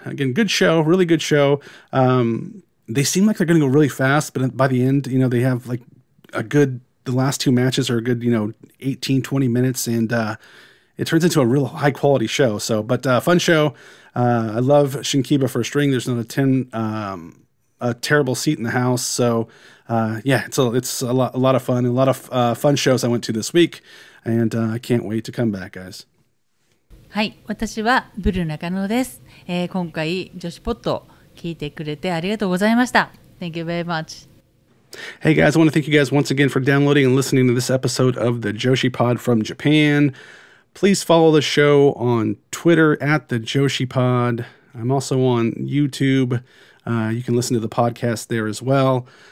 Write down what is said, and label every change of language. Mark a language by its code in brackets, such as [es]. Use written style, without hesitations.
[en] Again, good show, really good show. They seem like they're going to go really fast, but by the end, you know, they have like a good, the last two matches are a good, you know, 18, 20 minutes, and it turns into a real high quality show. So, but fun show. I love Shinkiba First Ring. There's not a terrible seat in the house. So it's a lot of fun. And a lot of fun shows I went to this week, and I can't wait to come back, guys. [ja] はい、私はブルー中野です。今回女子ポッド聞いてくれてありがとうございました。 [en] Thank you very much. Hey guys, I want to thank you guys once again for downloading and listening to this episode of the Joshi Pod from Japan. Please follow the show on Twitter @TheJoshiPod. I'm also on YouTube. You can listen to the podcast there as well.